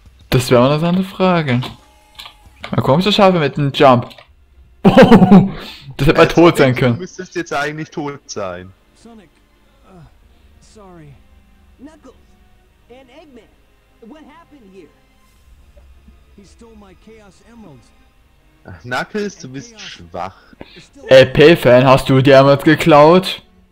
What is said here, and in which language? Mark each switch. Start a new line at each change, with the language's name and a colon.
German: Das wäre eine interessante Frage. Mal gucken, ich so schaffe mit dem Jump. Das hätte mal tot sein können. Du müsstest jetzt eigentlich tot sein. Sonic, sorry.
English: Knuckles and Eggman, what happened here? He stole my Chaos Emeralds.
German: Knuckles, du bist schwach. LP-Fan, hast du die Emeralds geklaut?